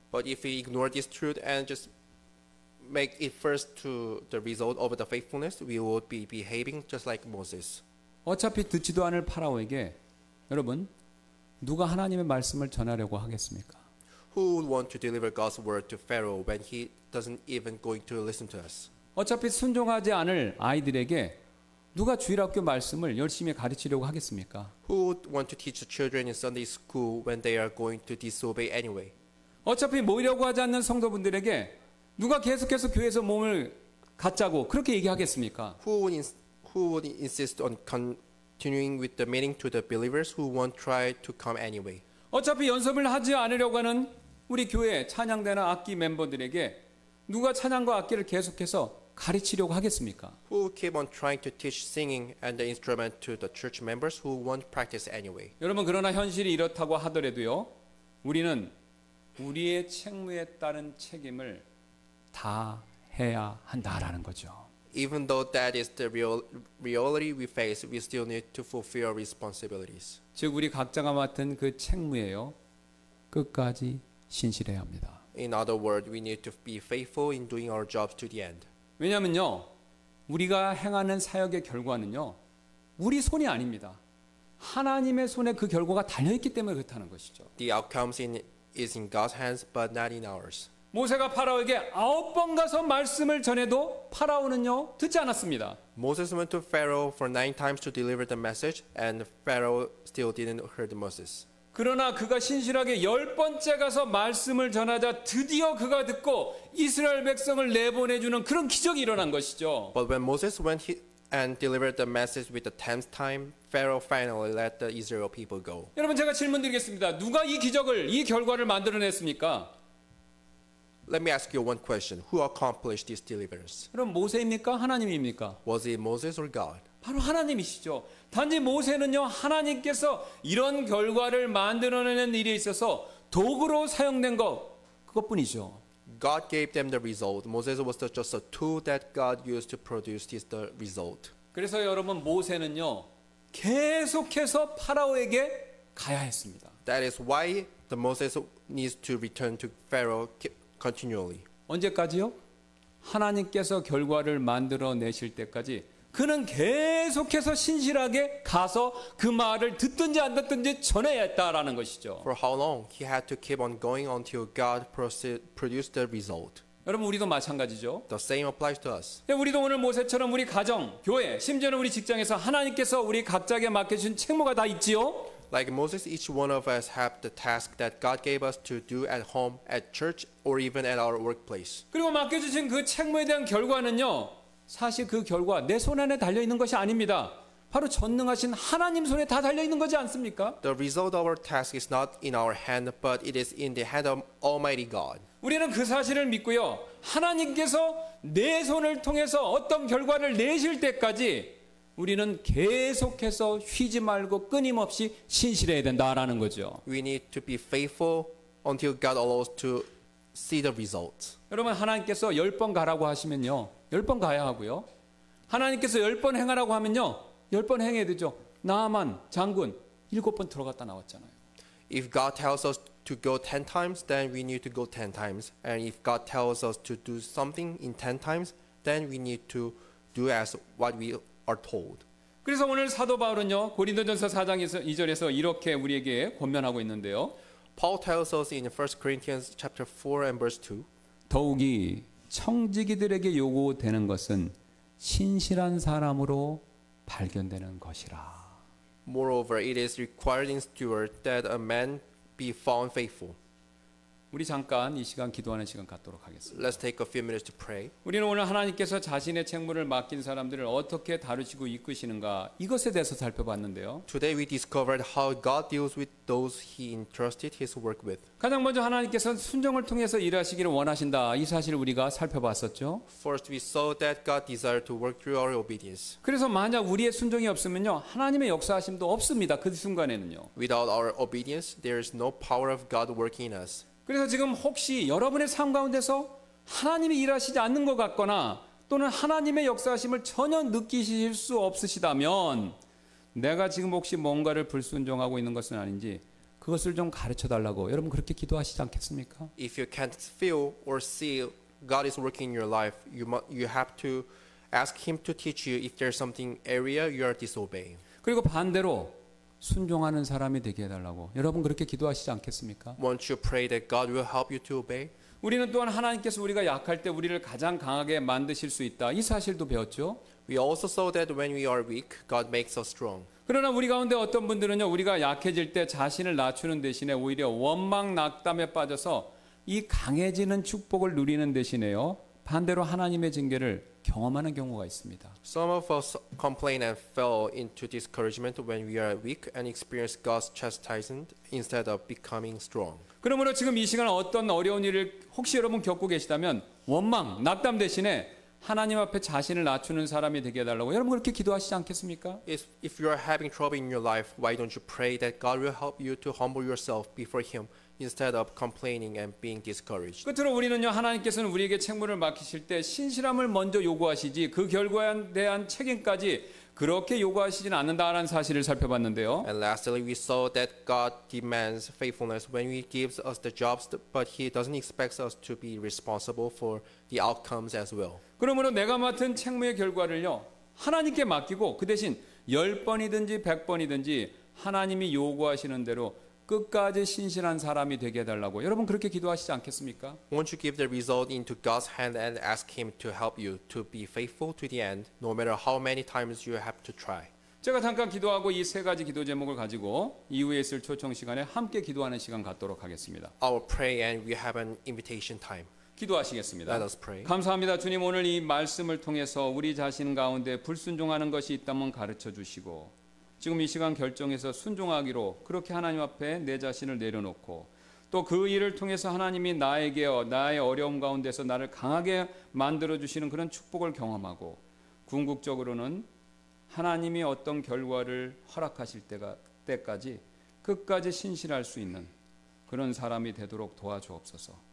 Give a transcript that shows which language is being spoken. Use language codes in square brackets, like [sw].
[en] But if we ignore this truth and just make it first to the result of the faithfulness, we would be behaving just like Moses. [ko] 어차피 듣지도 않을 파라오에게 여러분 누가 하나님의 말씀을 전하려고 하겠습니까? [en] Who would want to deliver God's word to Pharaoh when he doesn't even going to listen to us? [ko] 어차피 순종하지 않을 아이들에게 누가 주일학교 말씀을 열심히 가르치려고 하겠습니까? [en] Who would want to teach children in Sunday school when they are going to disobey anyway? [ko] 어차피 모이려고 하지 않는 성도분들에게 누가 계속해서 교회에서 몸을 갖자고 그렇게 얘기하겠습니까? [en] Who would insist on continuing with the meeting to the believers who won't try to come anyway? [ko] 어차피 연습을 하지 않으려고 하는 우리 교회 찬양대나 악기 멤버들에게 누가 찬양과 악기를 계속해서 가르치려고 하겠습니까? [en] Who keep on trying to teach singing and the instrument to the church members who won't practice anyway? [ko] 여러분 그러나 현실이 이렇다고 하더라도요, 우리는 우리의 책무에 따른 책임을 다 해야 한다라는 거죠. [en] Even though that is the reality we face, we still need to fulfill our responsibilities. [ko] 즉 우리 각자가 맡은 그 책무에요, 끝까지 신실해야 합니다. [en] In other words, we need to be faithful in doing our jobs to the end. [ko] 왜냐면요, 우리가 행하는 사역의 결과는요, 우리 손이 아닙니다. 하나님의 손에 그 결과가 달려 있기 때문에 그렇다는 것이죠. [en] The outcomes is in God's hands, but not in ours. [ko] 모세가 파라오에게 아홉 번 가서 말씀을 전해도 파라오는요 듣지 않았습니다. [en] Moses went to Pharaoh for 9 times to deliver the message, and Pharaoh still didn't hear Moses. [ko] 그러나 그가 신실하게 열 번째 가서 말씀을 전하자 드디어 그가 듣고 이스라엘 백성을 내보내주는 그런 기적이 일어난 것이죠. [en] But when Moses went and delivered the message with the 10th time, Pharaoh finally let the Israel people go. [ko] 여러분 제가 질문 드리겠습니다. 누가 이 기적을, 이 결과를 만들어냈습니까? [en] Let me ask you one question. Who accomplished this deliverance? [ko] 그럼 모세입니까? 하나님입니까? [en] Was it Moses or God? [ko] 바로 하나님이시죠. 단지 모세는요, 하나님께서 이런 결과를 만들어내는 일에 있어서 도구로 사용된 것, 그것뿐이죠. [en] God gave them the result. Moses was just a tool that God used to produce this the result. [ko] 그래서 여러분 모세는요, 계속해서 파라오에게 가야 했습니다. [en] That is why the Moses needs to return to Pharaoh continually. [ko] 언제까지요? 하나님께서 결과를 만들어내실 때까지 그는 계속해서 신실하게 가서 그 말을 듣든지 안 듣든지 전해야 했다라는 것이죠. [en] For how long he had to keep on going until God produced the result. [ko] 여러분 우리도 마찬가지죠. [en] The same applies to us. [ko] 우리도 오늘 모세처럼 우리 가정, 교회, 심지어는 우리 직장에서 하나님께서 우리 각자에게 맡겨준 책무가 다 있지요. [en] Like Moses, each one of us have the task that God gave us to do at home, at church, or even at our workplace. [ko] 그리고 맡겨주신 그 책무에 대한 결과는요. 사실 그 결과 내 손 안에 달려 있는 것이 아닙니다. 바로 전능하신 하나님 손에 다 달려 있는 거지 않습니까? [en] The result of our task is not in our hand, but it is in the hand of Almighty God. [ko] 우리는 그 사실을 믿고요. 하나님께서 내 손을 통해서 어떤 결과를 내실 때까지 우리는 계속해서 쉬지 말고 끊임없이 신실해야 된다라는 거죠. [en] We need to be faithful until God allows to see the result. [ko] 여러분 하나님께서 열 번 가라고 하시면요. 열 번 가야 하고요. 하나님께서 열 번 행하라고 하면요. 열 번 행해야 되죠. 나아만 장군 일곱 번 들어갔다 나왔잖아요. [en] If God tells us to go 10 times, then we need to go 10 times. And if God tells us to do something in 10 times, then we need to do as what we are told. [ko] 그래서 오늘 사도 바울은요. 고린도전서 4장 2절에서 이렇게 우리에게 권면하고 있는데요. [en] Paul tells us in 1 Corinthians chapter 4 and verse 2. [ko] 더욱이 청지기들에게 요구되는 것은 신실한 사람으로 발견되는 것이라. [en] Moreover, it is required in steward that a man be found faithful. [ko] 우리 잠깐 이 시간 기도하는 시간 갖도록 하겠습니다. [en] Let's take a few minutes to pray. [ko] 우리는 오늘 하나님께서 자신의 책무를 맡긴 사람들을 어떻게 다루시고 이끄시는가 이것에 대해서 살펴봤는데요. [en] Today we discovered how God deals with those he entrusted his work with. [ko] 가장 먼저 하나님께서는 순종을 통해서 일하시기를 원하신다. 이 사실을 우리가 살펴봤었죠. [en] First we saw that God desired to work through our obedience. [ko] 그래서 만약 우리의 순종이 없으면요. 하나님의 역사하심도 없습니다. 그 순간에는요. [en] Without our obedience there is no power of God working in us. [ko] 그래서 지금 혹시 여러분의 삶 가운데서 하나님이 일하시지 않는 것 같거나 또는 하나님의 역사하심을 전혀 느끼실 수 없으시다면 내가 지금 혹시 뭔가를 불순종하고 있는 것은 아닌지 그것을 좀 가르쳐달라고 여러분 그렇게 기도하시지 않겠습니까? [en] If you can't feel or see God is working in your life, you have to ask him to teach you if there's something area you are disobeying. [ko] 그리고 반대로 순종하는 사람이 되게 해달라고 여러분 그렇게 기도하시지 않겠습니까? [en] Won't you pray that God will help you to obey? [ko] 우리는 또한 하나님께서 우리가 약할 때 우리를 가장 강하게 만드실 수 있다 이 사실도 배웠죠. [en] We also saw that when we are weak, God makes us strong. [ko] 그러나 우리 가운데 어떤 분들은요 우리가 약해질 때 자신을 낮추는 대신에 오히려 원망 낙담에 빠져서 이 강해지는 축복을 누리는 대신에요 반대로 하나님의 징계를 경험하는 경우가 있습니다. [en] Some of us complain and fall into discouragement when we are weak and experience God's chastisement instead of becoming strong. [ko] 그러므로 지금 이 시간 어떤 어려운 일을 혹시 여러분 겪고 계시다면 원망, 낙담 대신에 하나님 앞에 자신을 낮추는 사람이 되게 해달라고 여러분 그렇게 기도하시지 않겠습니까? [en] If you are having trouble in your life, why don't you pray that God will help you to humble yourself before Him? Instead of complaining and being discouraged. [ko] 끝으로 우리는요 하나님께서는 우리에게 책무를 맡기실 때 신실함을 먼저 요구하시지 그 결과에 대한 책임까지 그렇게 요구하시진 않는다라는 사실을 살펴봤는데요. [en] And lastly, we saw that God demands faithfulness when He gives us the jobs, but He doesn't expect us to be responsible for the outcomes as well. [ko] 그러므로 내가 맡은 책무의 결과를요 하나님께 맡기고 그 대신 열 번이든지 백 번이든지 하나님이 요구하시는 대로. 끝까지 신실한 사람이 되게 해달라고 여러분 그렇게 기도하시지 않겠습니까? [en] Won't you give the result into God's hand and ask Him to help you to be faithful to the end, no matter how many times you have to try? [ko] 제가 잠깐 기도하고 이 세 가지 기도 제목을 가지고 이후에 있을 초청 시간에 함께 기도하는 시간 갖도록 하겠습니다. [en] I will pray and we have an invitation time. [ko] 기도하시겠습니다. [en] Let us pray. [ko] 감사합니다, 주님 오늘 이 말씀을 통해서 우리 자신 가운데 불순종하는 것이 있다면 가르쳐 주시고. 지금 이 시간 결정해서 순종하기로 그렇게 하나님 앞에 내 자신을 내려놓고 또 그 일을 통해서 하나님이 나에게 나의 어려움 가운데서 나를 강하게 만들어주시는 그런 축복을 경험하고 궁극적으로는 하나님이 어떤 결과를 허락하실 때까지 끝까지 신실할 수 있는 그런 사람이 되도록 도와주옵소서.